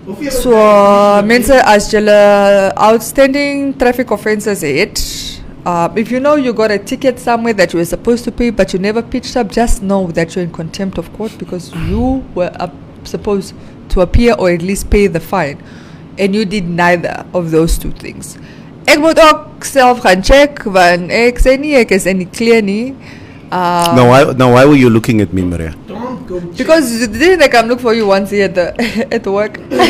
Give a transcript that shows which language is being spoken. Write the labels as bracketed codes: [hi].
[en] So, Mensa Asjela, outstanding traffic offenses. If you know you got a ticket somewhere that you were supposed to pay, but you never pitched up, just know that you're in contempt of court because you were supposed to appear or at least pay the fine. And you did neither of those two things. [af] Ek moet ook self gaan check, want ek sê nie, ek is in die clear nie. [en] Now why were you looking at me, Maria? Because you didn't they come look for you once here at the work?